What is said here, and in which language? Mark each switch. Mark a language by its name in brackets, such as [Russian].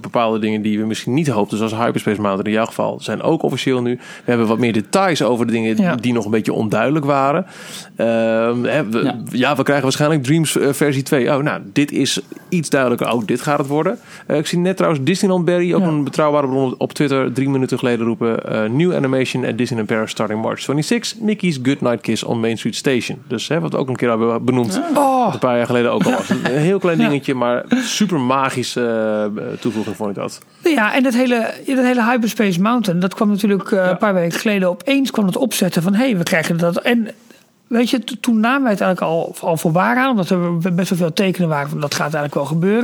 [Dutch] Bepaalde dingen die we misschien niet hoopten, zoals Hyperspace Mountain in jouw geval, zijn ook officieel nu. We hebben wat meer details over de dingen die nog een beetje onduidelijk waren. We krijgen waarschijnlijk Dreams versie 2. Dit is iets duidelijker. Ook dit gaat het worden. Ik zie net trouwens Disneyland Barry, ook een betrouwbare bron op Twitter, 3 minuten geleden roepen. [English] New animation at Disneyland Paris starting March 26. Mickey's Goodnight Kiss on Main Street Station. [Dutch] Dus wat we ook een keer hebben benoemd. Een paar jaar geleden ook al was. Een heel klein dingetje, maar super magisch toevoeging vond ik dat. Ja, en dat hele Hyperspace Mountain, dat kwam natuurlijk een paar weken geleden opeens kwam het opzetten van we krijgen dat. En weet je, toen namen wij het eigenlijk al voor waar aan, omdat er best wel veel tekenen waren van dat gaat eigenlijk wel gebeuren.